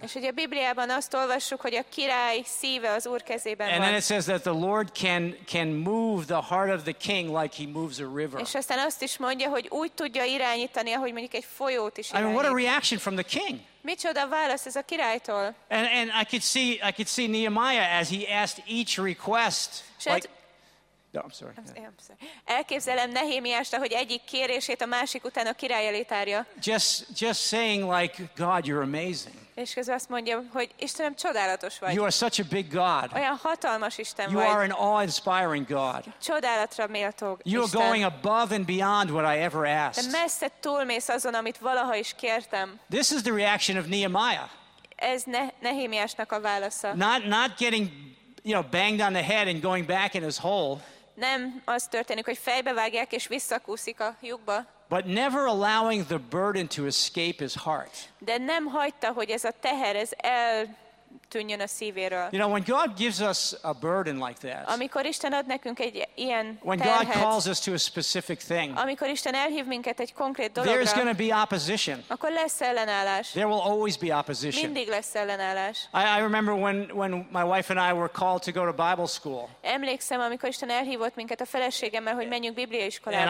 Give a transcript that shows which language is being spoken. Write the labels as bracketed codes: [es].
[hu] És ugye a Bibliában azt olvassuk, hogy a király szíve az Úr kezében van. [en] And then it says that the Lord can move the heart of the king like he moves a river. [hu] És aztán azt is mondja, hogy úgy tudja irányítani, ahogy mondjuk egy folyót is irányít. [en] I mean, what a reaction from the king. [hu] Micsoda válasz ez a királytól. [en] And I could see Nehemiah as he asked each request. No, I'm sorry. [hu] Elképzelem Nehémiást, hogy egyik kérését a másik után a király elé tárja. [en] Just saying like, God, you're amazing. [hu] És közben azt mondja, hogy Istenem, csodálatos vagy. [en] You are such a big God. [hu] Olyan hatalmas Isten [en] you [hu] vagy. [en] You are an awe-inspiring God. [hu] Csodálatra méltó [en] you [hu] Isten. [en] You are going above and beyond what I ever asked. [hu] De messze túlmész azon, amit valaha is kértem. [en] This is the reaction of Nehemiah. [hu] Ez Nehémiásnak a válasza. [en] Not getting, you know, banged on the head and going back in his hole. [hu] Nem az történik, hogy fejbevágják és visszakúszik a lyukba. [en] But never allowing the burden to escape his heart. [hu] De nem hagyta, hogy ez a teher ez eltűnjön a szívéről. [en] You know, when God gives us a burden like that. [hu] Amikor Isten ad nekünk egy ilyen terhet. [en] When God calls us to a specific thing. [hu] Amikor Isten elhív minket egy konkrét dologra. [en] There's going to be opposition. [hu] Akkor lesz ellenállás. [en] There will always be opposition. [hu] Mindig lesz ellenállás. [en] I remember when my wife and I were called to go to Bible school. [hu] Emlékszem, amikor Isten elhívott minket a feleségemmel, hogy menjünk bibliaiskolába.